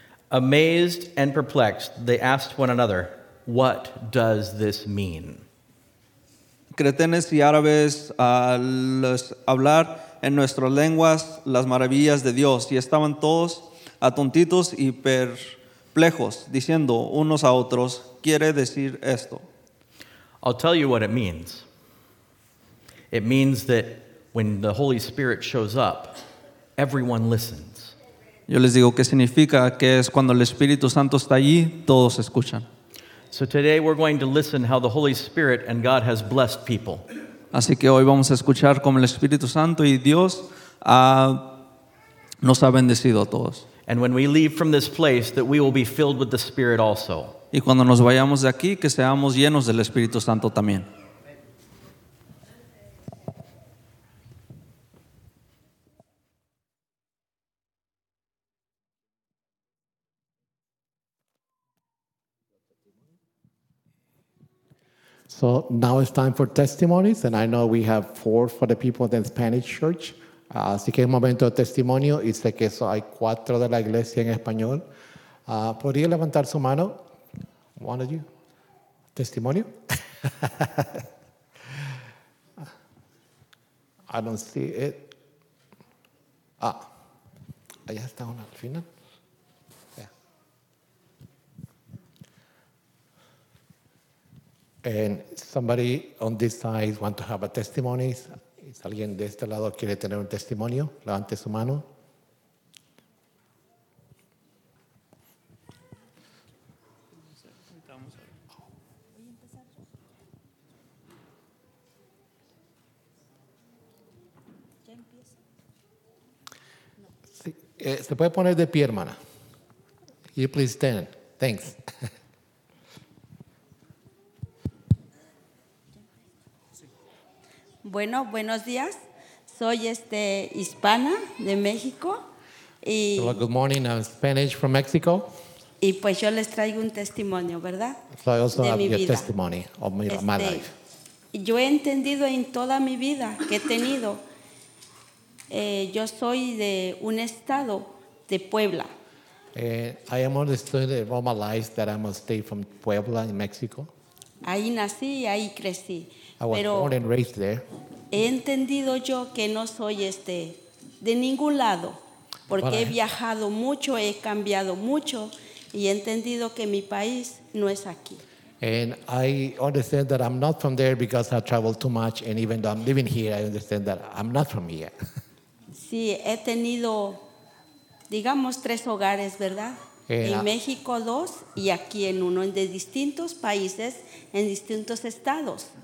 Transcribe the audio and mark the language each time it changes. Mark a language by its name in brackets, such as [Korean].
[English] Amazed and perplexed, they asked one another, "What does this mean?" [Spanish] cretenes y árabes al hablar en nuestras lenguas las maravillas de Dios. Y estaban todos atontitos y perplejos, diciendo unos a otros, ¿quiere decir esto? [English] I'll tell you what it means. It means that when the Holy Spirit shows up, everyone listens. [Spanish] Yo les digo qué significa, que es cuando el Espíritu Santo está allí, todos escuchan. [English] So today we're going to listen how the Holy Spirit and God has blessed people. [Spanish] Así que hoy vamos a escuchar cómo el Espíritu Santo y Dios nos ha bendecido a todos. [English] And when we leave from this place, that we will be filled with the Spirit also. [Spanish] Y cuando nos vayamos de aquí, que seamos llenos del Espíritu Santo también. [English] So now it's time for testimonies, and I know we have four for the people of the Spanish church. [Spanish] Así que es momento de testimonio, y sé que eso hay cuatro de la iglesia en español. ¿Podría levantar su mano? [English] One of you. Testimonio? I don't see it. [Spanish] Ah, allá está uno al final. [English] And somebody on this side want to have a testimony. [Spanish] ¿Alguien de este lado quiere tener un testimonio? Levante su mano. Sí, se puede poner de pie, hermana. [English] You please stand. Thanks. [Spanish] Bueno, buenos días. Soy hispana de México. Y, [English] well, good morning. I'm Spanish from Mexico. [Spanish] Y pues yo les traigo un testimonio, ¿verdad? [English] So I also have your testimony of my life. [Spanish] Yo he entendido en toda mi vida que he tenido. Yo soy de un estado de Puebla. [English] I am understood in all my life that I'm a state from Puebla in Mexico. [Spanish] Ahí nací y ahí crecí. [English] I was born and raised there. [Spanish] He entendido yo que no soy de ningún lado, porque he viajado mucho, he cambiado mucho, y he entendido que mi país no es aquí. [English] And I understand that I'm not from there because I traveled too much, and even though I'm living here, I understand that I'm not from here. [Spanish] Sí, he tenido, digamos, tres hogares, ¿verdad? En México dos, y aquí en uno, en de distintos países, en distintos estados.